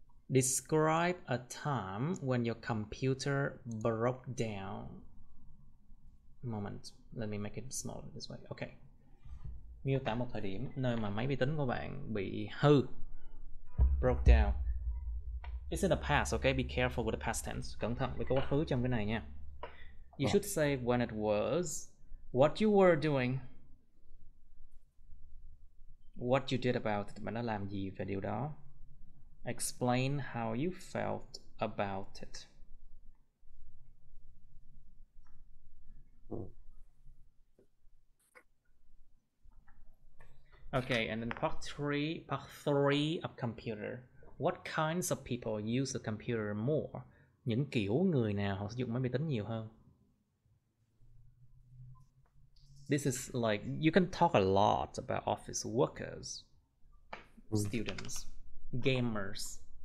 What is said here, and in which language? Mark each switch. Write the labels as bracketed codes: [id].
[en] Describe a time when your computer broke down. Moment, let me make it smaller this way. Okay. [vi] Miêu tả một thời điểm nơi mà máy vi tính của bạn bị hư. [en] Broke down. It's in the past, okay? Be careful with the past tense. [vi] Cẩn thận với quá khứ trong cái này nha. [en] You should say when it was, what you were doing, what you did about it. [vi] Bạn đã làm gì về điều đó? [en] Explain how you felt about it. Okay, and then part three of computer. What kinds of people use the computer more? [vi] Những kiểu người nào họ sử dụng máy vi tính nhiều hơn? [en] This is like, you can talk a lot about office workers, students, gamers.